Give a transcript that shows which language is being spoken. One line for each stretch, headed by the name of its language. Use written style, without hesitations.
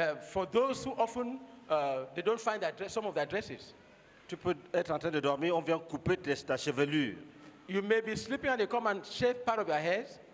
English: For those who often they don't find their dress, some of their dresses.
French: Tu peux être en train de dormir, on vient couper ta chevelure.
English: You may be sleeping and they come and shave part of your hair.